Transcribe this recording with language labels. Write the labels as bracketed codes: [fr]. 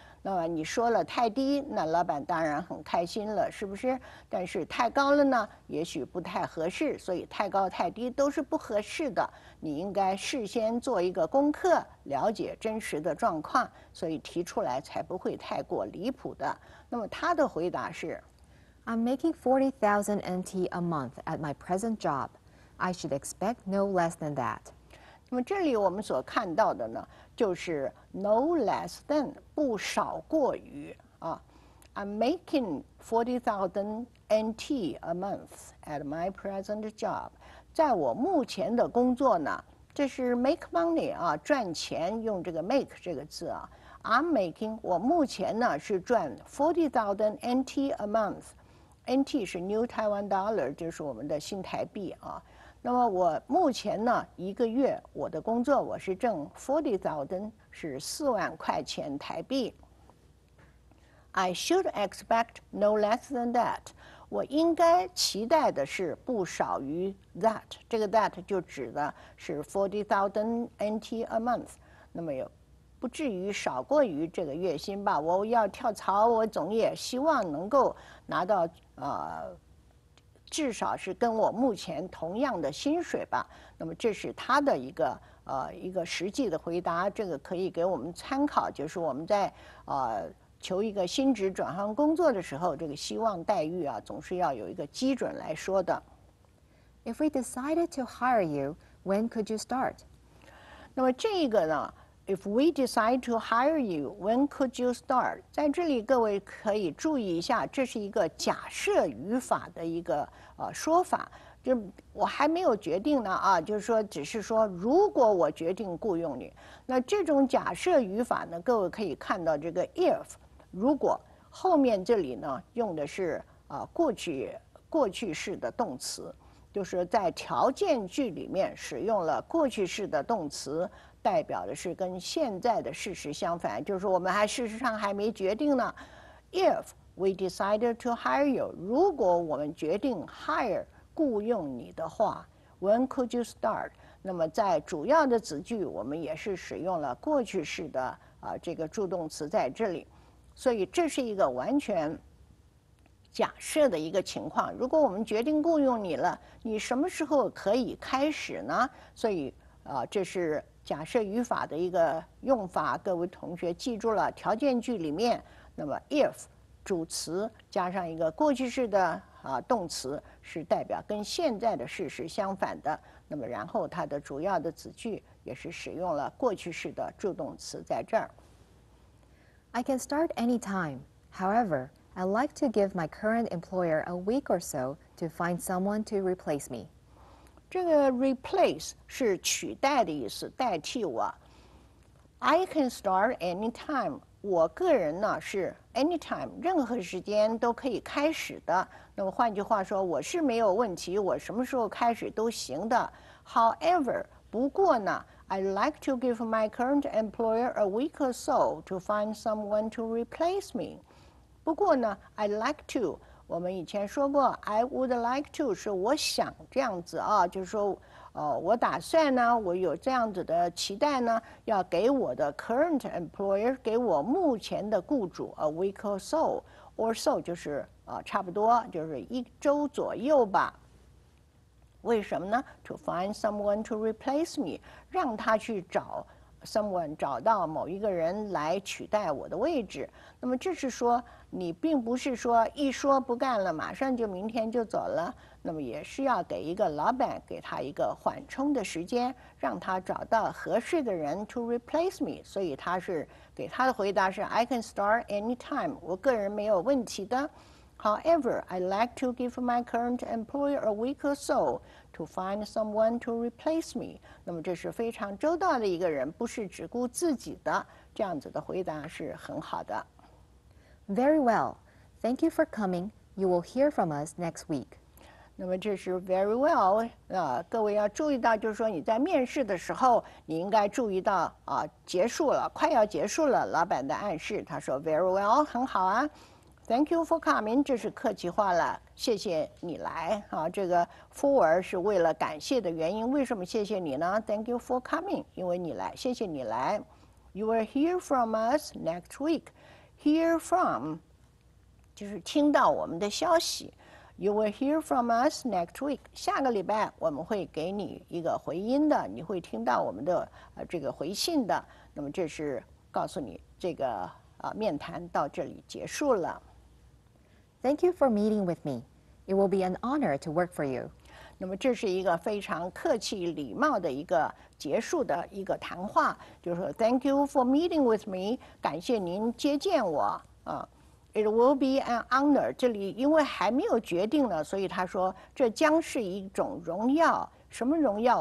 [zh] 那么你说了太低，那老板当然很开心了，是不是？但是太高了呢，也许不太合适，所以太高太低都是不合适的。你应该事先做一个功课，了解真实的状况，所以提出来才不会太过离谱的。那么他的回答是 [en] I'm making 40,000 NT a month at my present job. I should expect no less than that. [zh] 那么这里我们所看到的呢，就是 [en] no less than [zh] 不少过于啊 ， [en] I'm making 40,000 NT a month at my present job， [zh] 在我目前的工作呢，这是 [en] make money [zh] 啊，赚钱，用这个 make 这个字啊 ， [en] I'm making [zh] 我目前呢是赚 [en] 40,000 NT a month， [zh] NT 是 New Taiwan Dollar， 就是我们的新台币啊。那么我目前呢，一个月我的工作我是挣 40,000， 是40,000台币。 [en] I should expect no less than that. [zh] 我应该期待的是不少于 that. 这个 that 就指的是 [en] 40,000 NT a month. [zh] 那么也不至于少过于这个月薪吧。我要跳槽，我总也希望能够拿到至少是跟我目前同样的薪水吧。那么这是他的一个实际的回答，这个可以给我们参考，就是我们在求一个薪职转行工作的时候，这个希望待遇啊，总是要有一个基准来说的。 [en] If we decided to hire you, when could you start? [zh] 那么这个呢 [en] ，If we decide to hire you, when could you start? [zh] 在这里各位可以注意一下，这是一个假设语法的一个说法。就我还没有决定呢啊，就是说，只是说，如果我决定雇佣你，那这种假设语法呢，各位可以看到这个 if， 如果后面这里呢用的是过去式的动词，就是在条件句里面使用了过去式的动词，代表的是跟现在的事实相反，就是我们还事实上还没决定呢。 [en] If we decided to hire you， [zh] 如果我们决定 [en] hire。 [zh] 雇用你的话 [en] ，When could you start？ [zh] 那么在主要的子句，我们也是使用了过去式的这个助动词在这里，所以这是一个完全假设的一个情况。如果我们决定雇用你了，你什么时候可以开始呢？所以这是假设语法的一个用法，各位同学记住了，条件句里面，那么 if 主词加上一个过去式的。动词是代表跟现在的事实相反的，那么然后它的主要的子句也是使用了过去式的助动词在这儿。 [en] I can start any time. However, I'd like to give my current employer a week or so to find someone to replace me. [zh] 这个 replace 是取代的意思，代替我。 [en] I can start any time. [zh] 我个人呢是。 Anytime， 任何时间都可以开始的。那么换句话说，我是没有问题，我什么时候开始都行的。 [en] However， [zh] 不过呢 [en] ，I'd like to give my current employer a week or so to find someone to replace me。 [zh] 不过呢 ， [en] I'd like to， [zh] 我们以前说过 ， [en] I would like to [zh] 是我想这样子啊，就是说，我打算呢，我有这样子的期待呢，要给我的 [en] current employer， [zh] 给我目前的雇主 [en] a week or so [zh] 就是差不多就是一周左右吧。为什么呢 ？ [en] To find someone to replace me， [zh] 让他去找 someone， 找到某一个人来取代我的位置。那么这是说，你并不是说一说不干了，马上就明天就走了。那么也是要给一个老板给他一个缓冲的时间，让他找到合适的人 [en] to replace me。 [zh] 所以他是给他的回答是 [en] I can start any time， [zh] 我个人没有问题的。 [en] However, I'd like to give my current employer a week or so to find someone to replace me。 [zh] 那么这是非常周到的一个人，不是只顾自己的，这样子的回答是很好的。 [en] Very well, thank you for coming. You will hear from us next week. [zh] 那么这是 [en] very well， [zh] 各位要注意到，就是说你在面试的时候，你应该注意到结束了，快要结束了，老板的暗示，他说 very well， 很好啊 ， [en] thank you for coming， [zh] 这是客气话了，谢谢你来啊，这个 for 是为了感谢的原因，为什么谢谢你呢 ？ [en] Thank you for coming， [zh] 因为你来，谢谢你来 ， [en] you will hear from us next week， hear from [zh] 就是听到我们的消息。 [en] You will hear from us next week. [zh] 下个礼拜我们会给你一个回音的，你会听到我们的这个回信的。那么这是告诉你这个面谈到这里结束了。 [en] Thank you for meeting with me. It will be an honor to work for you. [zh] 那么这是一个非常客气礼貌的一个结束的一个谈话，就是说 [en] Thank you for meeting with me. [zh] 感谢您接见我啊。 [en] It will be an honor. [zh] 这里因为还没有决定呢，所以他说这将是一种荣耀。什么荣耀？